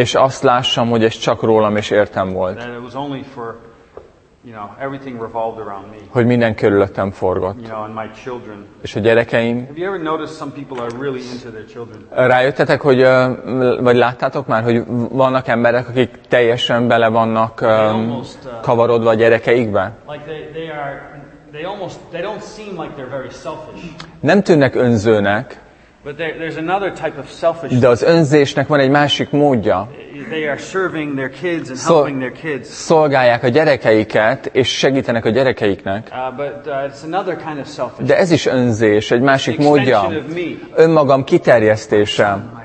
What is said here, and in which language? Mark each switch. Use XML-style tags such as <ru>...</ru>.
<hu>És azt lássam, hogy ez csak rólam és értem volt.</hu> <en>That it was only for, you know, everything revolved around me.</en> <hu>Hogy minden körülöttem forgott.</hu> <en>You know, and my children.</en> <hu>És a gyerekeim.</hu> <en>Have you ever noticed some people are really into their children?</en> <hu>Rájöttetek, hogy vagy láttátok már, hogy vannak emberek, akik teljesen bele vannak kavarodva a gyerekeikbe?</hu> <en>Like they are. They don't seem like they're very selfish.</en> <hu>Nem tűnnek önzőnek.</hu> <en>But there's another type of selfishness.</en> <hu>De az önzésnek van egy másik módja.</hu> <en>They are serving their kids and helping their kids.</en> <hu>Szolgálják a gyerekeiket és segítenek a gyerekeiknek.</hu> <en>It's another kind of selfishness.</en> <hu>De ez is önzés, egy másik módja. Önmagam kiterjesztése.</hu>